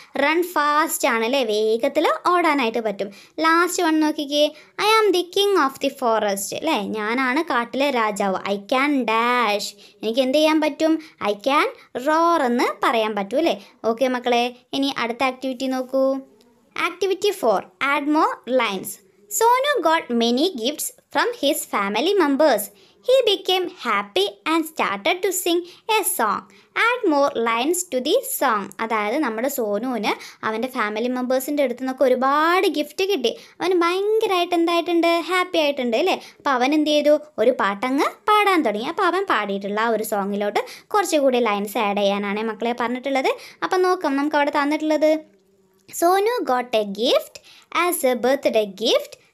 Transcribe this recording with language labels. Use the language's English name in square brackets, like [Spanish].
[English] run fast [Malayalam] ആണ് അല്ലേ, വേഗത്തിൽ ഓടാനായിട്ട് പറ്റും. Last one നോക്കിക്കുക, [English] I am the king of the forest [Malayalam] അല്ലേ, ഞാനാണ് കാട്ടിലെ രാജാവ്. [English] I can dash, [Malayalam] എനിക്ക് എന്ത് ചെയ്യാൻ പറ്റും? [English] I can roar [Malayalam] എന്ന് പറയാൻ പറ്റും അല്ലേ. ഓക്കെ മക്കളെ, ഇനി അടുത്ത ആക്ടിവിറ്റി നോക്കൂ. [English] Activity four, add more lines. Sonu got many gifts from his family members. He became happy and started to sing a song. Add more lines to the song. [Malayalam] അതായത് നമ്മുടെ സോനുവിന് അവൻ്റെ ഫാമിലി മെമ്പേഴ്സിൻ്റെ അടുത്ത് നിന്നൊക്കെ ഒരുപാട് ഗിഫ്റ്റ് കിട്ടി. അവന് ഭയങ്കരമായിട്ട് എന്തായിട്ടുണ്ട്? ഹാപ്പി ആയിട്ടുണ്ട് അല്ലേ. അപ്പം അവൻ എന്ത് ചെയ്തു? ഒരു പാട്ടങ്ങ് പാടാൻ തുടങ്ങി. അപ്പോൾ അവൻ പാടിയിട്ടുള്ള ആ ഒരു സോങ്ങിലോട്ട് കുറച്ചുകൂടി ലൈൻസ് ആഡ് ചെയ്യാനാണ് മക്കളെ പറഞ്ഞിട്ടുള്ളത്. അപ്പം നോക്കാം നമുക്ക് അവിടെ തന്നിട്ടുള്ളത്. [English] Sonu got a gift as a birthday gift.